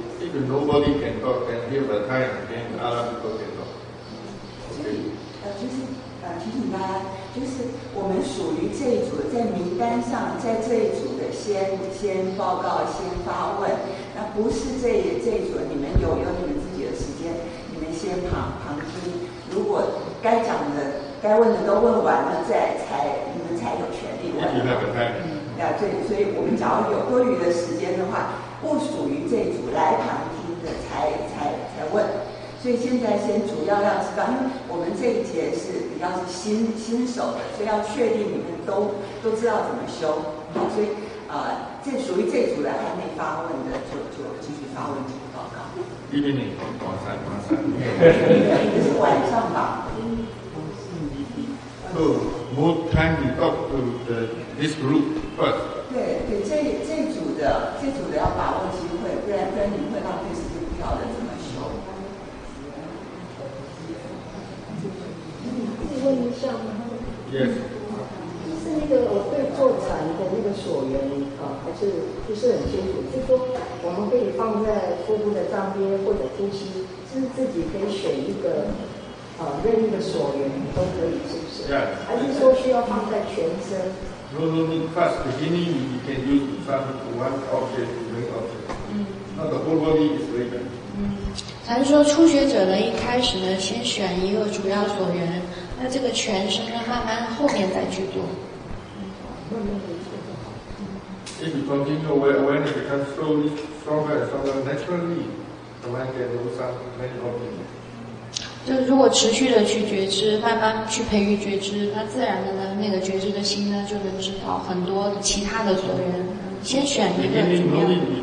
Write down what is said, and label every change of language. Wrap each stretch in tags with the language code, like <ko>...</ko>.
<en>If nobody can talk, then give the time, then other people can talk. Okay.</en> <zh>提醒大家，就是我们属于这一组，在名单上，在这一组的先报告、先发问。那不是这一组，你们有你们自己的时间，你们先旁听。如果该讲的、该问的都问完了，你们才有权利问。那对，所以我们只要有多余的时间的话，不属于这一组来旁听的才问。所以现在先主要让知道，因为我们这一节是比较是新手的，所以要确定你们都知道怎么修。好，所以这属于这组的还没发问的就继续发问这个报告。一零零晚上这是晚上吧。</zh> <en>More time to talk to this group first.</en> <zh>对，这组的要把握机会，不然你会浪费时间，不晓得怎么修。可以问一下吗</zh> <en>？Yes.</en> <zh>是那个我对坐禅的那个所缘还是不是很清楚？就是说我们可以放在腹部的上边或者呼吸，是自己可以选一个。任意的所缘都可以，是不是？</zh> <en>Yes.</en> <zh>还是说需要放在全身？</zh> <en>No, no, no. First beginning, you can use from one object to one object. 嗯。</en> <zh>那个</zh> <en>whole body is very good.</en> <zh>嗯，咱说初学者呢，一开始呢，先选一个主要所缘，那这个全身呢，慢慢后面再去做。嗯。</zh> <en>If you continue aware, awareness becomes slowly stronger and stronger naturally, the mind can do some many objects.</en> <zh>就如果持续的去觉知，慢慢去培育觉知，那自然的呢，那个觉知的心呢，就能知道很多其他的所缘。先选一个怎么样？</zh>